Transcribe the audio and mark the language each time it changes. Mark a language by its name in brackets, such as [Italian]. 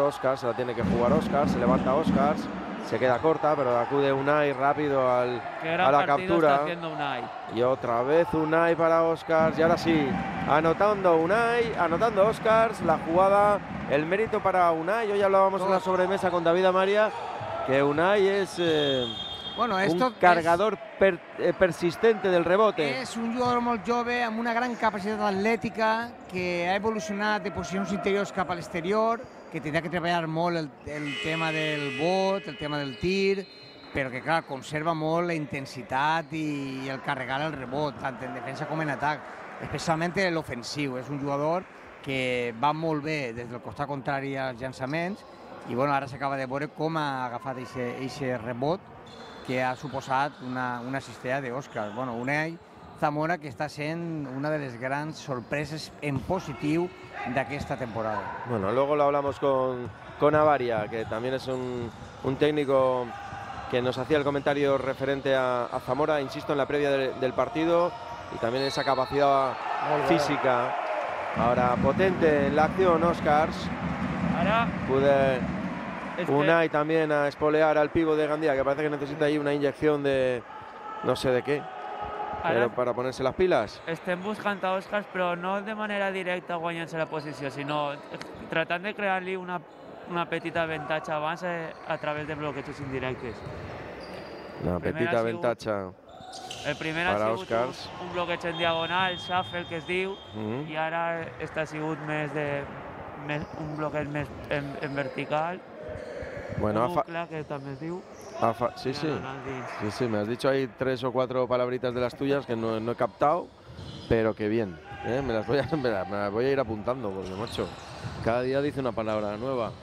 [Spanish] Oscars, se la tiene que jugar Oscars. Se levanta Oscars. Se queda corta, pero acude Unai rápido a la captura. Está haciendo Unai. Y otra vez Unai para Oscars. Y ahora sí, anotando Unai, anotando Oscars. La jugada, el mérito para Unai. Hoy hablábamos en la sobremesa con David Amaria, que Unai es esto un cargador persistente del rebote. [Catalan] Es un jugador molt jove, amb una gran capacitat atlètica, que ha evolucionat de posicions interiors cap a l'exterior, que tindrà que treballar molt el tema del bot, el tema del tir, però que, clar, conserva molt la intensitat i el carregar el rebot, tant en defensa com en atac, especialment en l'ofensiu. És un jugador que va molt bé des del costat contrari als llançaments i, bueno, ara s'acaba de veure com ha agafat aquest rebot que ha suposat una cistella d'Òscar. Bueno, Unai Zamora, que està sent una de les grans sorpreses en positiu d'aquesta temporada. [Spanish] Bueno, luego lo hablamos con Avaria, que también es un técnico que nos hacía el comentario referente a Zamora, insisto, en la previa del partido, y también esa capacidad física. Ahora, potente en la acción, Oscars. Ahora, pude Unai también a espolear al pívot de Gandía, que parece que necesita ahí una inyección de no sé de qué. Pero para ponerse las pilas. Estén buscando a Oscars, pero no de manera directa [Catalan] guanyant-se la posició, sinó tratant de crear-li una petita avantatge abans a través de bloquejos indirectes. Una petita avantatge. El primer ha sigut un bloqueig en diagonal, Schaffel, que es diu, i ara està sigut més de un bloqueig més en vertical. Bueno, que també es diu. [Spanish] Sí, me has dicho ahí 3 o 4 palabritas de las tuyas que no he captado, pero que bien, ¿eh? Me las voy a ir apuntando, porque, macho, cada día dice una palabra nueva.